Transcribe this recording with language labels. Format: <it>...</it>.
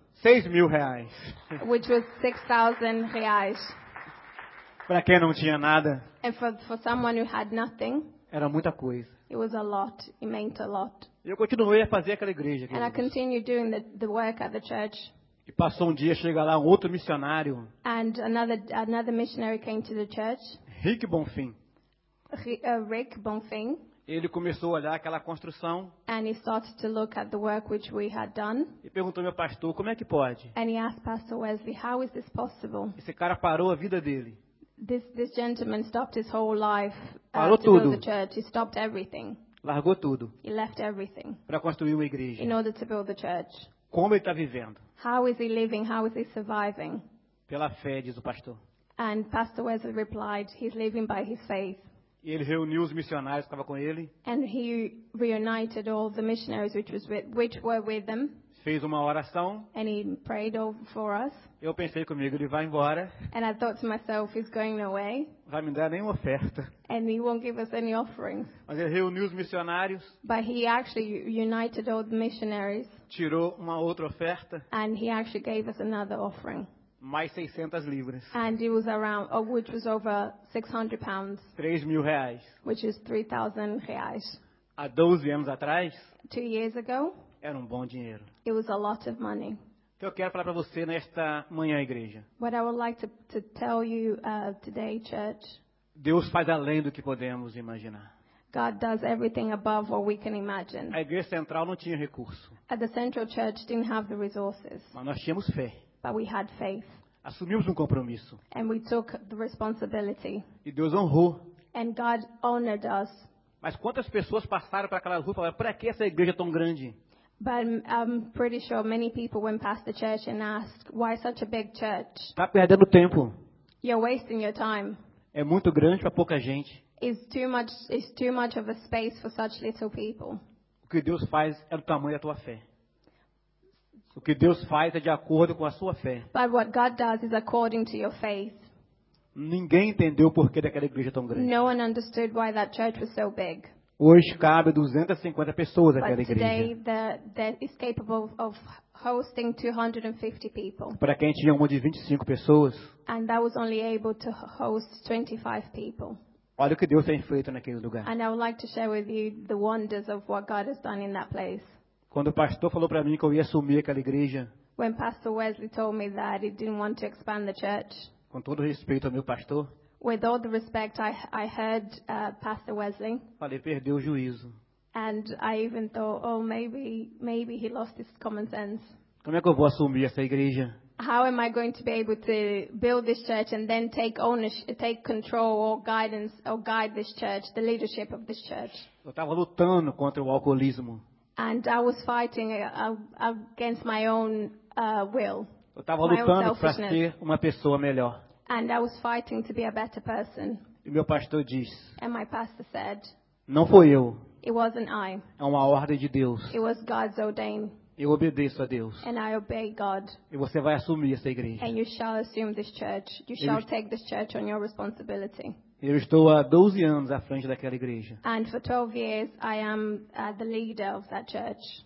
<pt>6.000 reais.</pt> <en>Which was 6,000 reais.</en> <pt>Para quem não tinha nada.</pt> <en>And for someone who had nothing.</en> <pt>Era muita coisa.</pt> <en>It was a lot. It meant a lot.</en> <pt>E eu continuei a fazer aquela igreja.</pt> <en>And I continued doing the work at the church.</en> <pt>E passou um dia, chega lá um outro missionário.</pt> <en>And another missionary came to the church. Rick Bonfim. Rick Bonfim.</en> <pt>Ele começou a olhar aquela construção.</pt> <en>And he started to look at the work which we had done.</en> <pt>E perguntou ao meu pastor, como é que pode?</pt> <en>And he asked Pastor Wesley, how is this possible?</en> <pt>Esse cara parou a vida dele.</pt> <en>This gentleman stopped his whole life</en> <pt>parou</pt> <en>to</en> <pt>tudo.</pt> <en>Build the church. He stopped everything.</en> <pt>Largou tudo.</pt> <en>He left everything.</en> <pt>Para construir uma igreja.</pt> <en>In order to build the church.</en> <pt>Como ele está vivendo?</pt> <en>How is he living? How is he surviving?</en> <pt>Pela fé, diz o pastor.</pt> <en>And Pastor Wesley replied, he's living by his faith.</en> <pt>E ele reuniu os missionários que estava com ele.</pt> <en>And he reunited all the missionaries which were with them.</en> <pt>Fez uma oração.</pt> <en>And he prayed for us.</en> <pt>Eu pensei comigo, ele vai embora.</pt> <en>And I thought to myself, he's going away.</en> <pt>Vai me dar nenhuma oferta.</pt> <en>And he won't give us any offerings.</en> <pt>Mas ele reuniu os missionários.</pt> <en>But he actually united all the missionaries.</en> <pt>Tirou uma outra oferta.</pt> <en>And he actually gave us another offering.</en> <pt>Mais 600 libras.</pt> <en>And it was around, which was over 600 pounds.</en> <pt>3.000 reais.</pt> <en>Which is 3,000 reais.</en> <pt>Há 12 anos atrás.</pt> <en>2 years ago.</en> <pt>Era um bom dinheiro.</pt> <en>It was a lot of money.</en> <pt>O que eu quero falar para você nesta manhã, igreja.</pt> <en>What I would like to tell you today, church.</en> <pt>Deus faz além do que podemos imaginar.</pt> <en>God does everything above what we can imagine.</en> <pt>A igreja central não tinha recurso.</pt> <en>At the central church didn't have the resources.</en> <pt>Mas nós tínhamos fé.</pt> <en>But we had faith.</en> <pt>Assumimos um compromisso.</pt> <en>And we took the responsibility.</en> <pt>E Deus honrou.</pt> <en>And God honored us.</en> <pt>Mas quantas pessoas passaram para aquela rua e falaram, para que essa igreja é tão grande?</pt> <en>But I'm pretty sure many people went past the church and asked, why such a big church?</en> <pt>Está perdendo tempo.</pt> <en>You're wasting your time.</en> <pt>É muito grande para pouca gente.</pt> <en>It's too much of a space for such little people.</en> <pt>O que Deus faz é do tamanho da tua fé. O que Deus faz é de acordo com a sua fé.</pt> <en>But what God does is according to your faith.</en> <pt>Ninguém entendeu o porquê daquela igreja tão grande.</pt> <en>No one understood why that church was so big.</en> <pt>Hoje cabe 250 pessoas</pt> <en>but</en> <pt>aquela</pt> <en>today,</en> <pt>igreja.</pt> <en>That is capable of hosting 250 people.</en> <pt>Para quem tinha uma de 25 pessoas.</pt> <en>And that was only able to host 25 people.</en> <pt>Olha o que Deus tem feito naquele lugar.</pt> <en>And I would like to share with you the wonders of what God has done in that place.</en> <pt>Quando o pastor falou para mim que eu ia assumir aquela igreja.</pt> <en>When Pastor Wesley told me that he didn't want to expand the church.</en> <pt>Com todo o respeito ao meu pastor.</pt> <en>With all the respect I heard Pastor Wesley.</en> <pt>Falei, perdeu o juízo.</pt> <en>And I even thought, oh, maybe he lost his common sense.</en> <pt>Como é que eu vou assumir essa igreja?</pt> <en>How am I going to be able to build this church and then take control or guidance or guide this church, the leadership of this church?</en> <pt>Eu estava lutando contra o alcoolismo.</pt> <en>And I was fighting against my own will.</en> <pt>Eu estava lutando para ser uma pessoa melhor.</pt> <en>And I was fighting to be a better person.</en> <pt>E meu pastor disse.</pt> <en>And my pastor said.</en> <pt>Não fui eu.</pt> <en>It wasn't I.</en> <pt>É uma ordem de Deus.</pt> <en>It was God's ordain.</en> <pt>Eu obedeço a Deus.</pt> <en>And I obey God.</en> <pt>E você vai assumir essa igreja.</pt> <en>And you shall assume this church. You shall take this church on your responsibility.</en> <pt>Eu estou há 12 anos à frente daquela igreja.</pt> <en>And for 12 years I am the leader of that church.</en>